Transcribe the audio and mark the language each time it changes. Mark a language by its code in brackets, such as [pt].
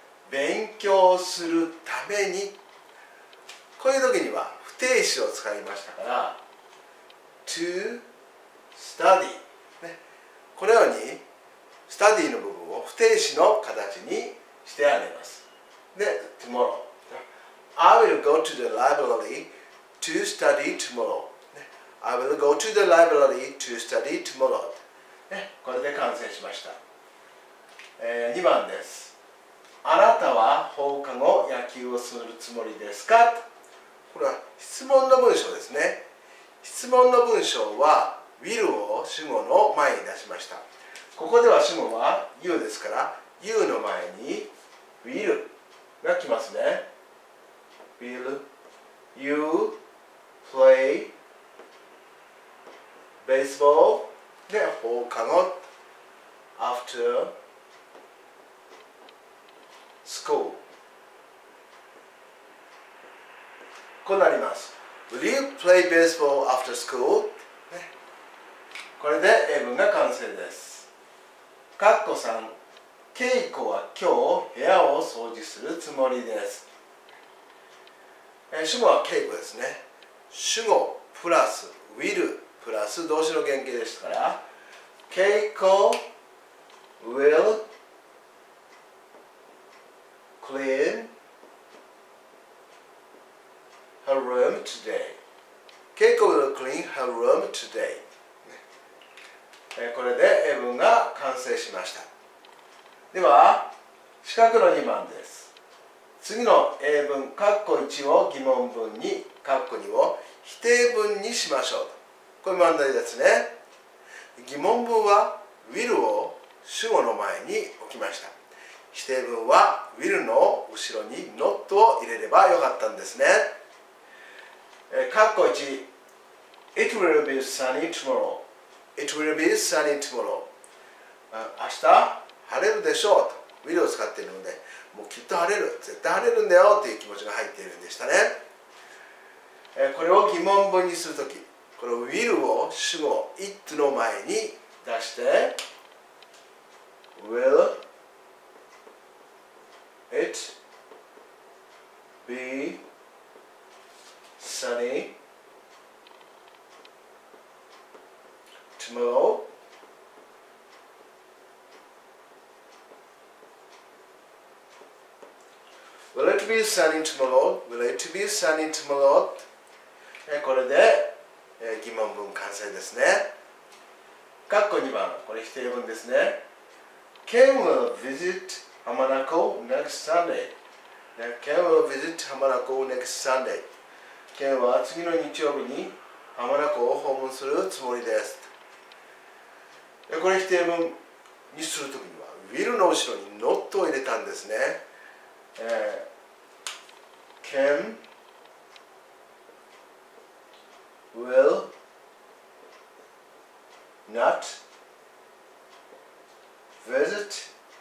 [ja] 勉強するために。こういう時には、不定詞を使いましたから、 [en] to study、 [ja] ね。このように、スタディの部分を不定詞の形にしてあげます。で、tomorrow。 [en] I will go to the library to study tomorrow。 I will go to the library to study tomorrow。 [ja] これで完成しました。2番です。あなたは放課後野球をするつもりですか？これは質問の文章ですね。質問の文章は will を主語の前に出しました。ここでは主語は you ですから、you の前に will が来ますね。 [en] will you play baseball? [ja] で、放課後、 after school。こうなります。 [en] Will you play baseball after school?、 [ja] ね、これで英文が完成です。カッコ3、ケイコは今日部屋を掃除するつもりです。主語はケイコですね。主語プラス、will プラス動詞の原型でしたから、 [en] Keiko will clean her room today. Keiko will clean her room today. [ja] これで英文が完成しました。では、四角の2番です。次の英文、括弧1を疑問文に、括弧2を否定文にしましょう。これ問題ですね。疑問文は will を主語の前に置きました。否定文は will の後ろに not を入れればよかったんですね。 [en] 括弧1、 It will be sunny tomorrow. It will be sunny tomorrow. [ja] 明日晴れるでしょうと will を使っているので、もうきっと晴れる、絶対晴れるんだよという気持ちが入っているんでしたね。これを疑問文にするとき、この will を主語 it の前に出して、 [en] will it be sunny tomorrow? Will it be sunny tomorrow? Will it be sunny tomorrow? [ja] これで疑問文完成ですね。括弧2番、これ否定文ですね。 [en] Ken will visit Hamanako next Sunday. Ken will visit Hamanako next Sunday. [ja] Ken は次の日曜日に Hamanako を訪問するつもりです。これ否定文にするときには、Will の後ろに Not を入れたんですね。 [en] Ken will not visit